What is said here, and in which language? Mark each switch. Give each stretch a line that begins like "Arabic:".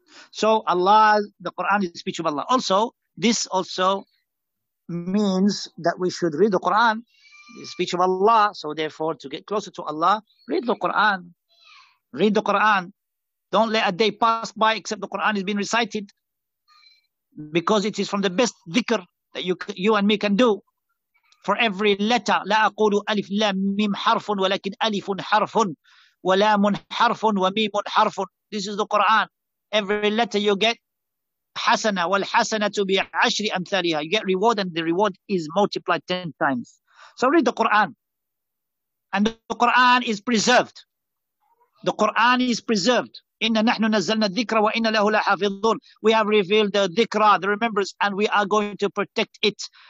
English: So Allah, the Quran is the speech of Allah. Also, this also means that we should read the Quran, the speech of Allah. So therefore, to get closer to Allah, read the Quran. Read the Quran. Don't let a day pass by except the Quran has been recited, because it is from the best dhikr that you and me can do. For every letter,
Arabic: لا أقول ألف لا ميم حرف ولكن ألف حرف ولام حرف وميم حرف.
English: This is the Quran. Every letter you get,
Arabic: حسنة والحسنة بعشر أمثالها.
English: You get reward and the reward is multiplied 10 times. So read the Quran. And the Quran is preserved. The Quran is preserved.
Arabic: إِنَّ نَحْنُ نَزَّلْنَا الذِّكْرَ وَإِنَّ لَهُ لَحَافِظُونَ.
English: We have revealed the dhikra, the remembrance, and we are going to protect it.